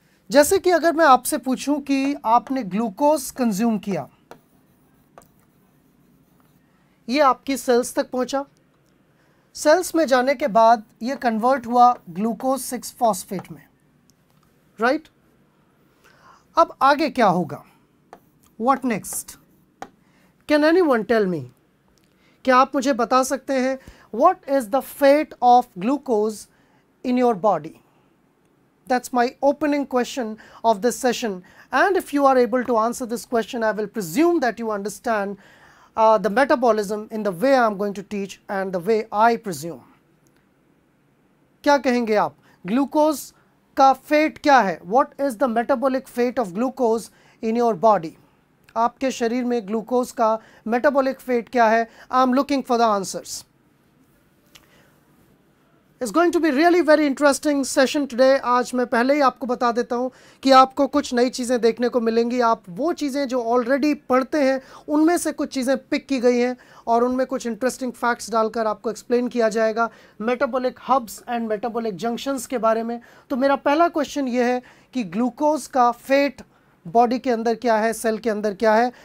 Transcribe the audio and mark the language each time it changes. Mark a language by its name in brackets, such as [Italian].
[Hindi] जैसे कि अगर मैं आपसे पूछूं कि आपने ग्लूकोज कंज्यूम किया, ये आपकी सेल्स तक पहुंचा, सेल्स में जाने के बाद ये कन्वर्ट हुआ ग्लूकोज 6-फॉस्फेट में, राइट? अब आगे क्या होगा, [English] What next? Can anyone tell me, [Hindi] क्या आप मुझे बता सकते हैं [English] What is the fate of glucose in your body? That's my opening question of this session. And if you are able to answer this question, I will presume that you understand the metabolism in the way I'm going to teach and the way I presume. [Hindi] Kya kahenge aap? Glucose ka fate kya hai? [English] What is the metabolic fate of glucose in your body? [Hindi] Aapke sharir mein glucose ka metabolic fate kya hai? [English] I'm looking for the answers. It's going to be really very interesting session today. [Hindi] आज मैं पहले ही आपको बता देता हूँ कि आपको कुछ नई चीज़ें देखने को मिलेंगी. आप वो चीज़ें जो ऑलरेडी पढ़ते हैं उनमें से कुछ चीज़ें पिक की गई हैं और उनमें कुछ इंटरेस्टिंग फैक्ट्स डालकर आपको एक्सप्लेन किया जाएगा metabolic hubs and metabolic junctions के बारे में. तो मेरा पहला क्वेश्चन ये है कि ग्लूकोज का फेट बॉडी के अंदर क्या है, सेल के अंदर क्या है.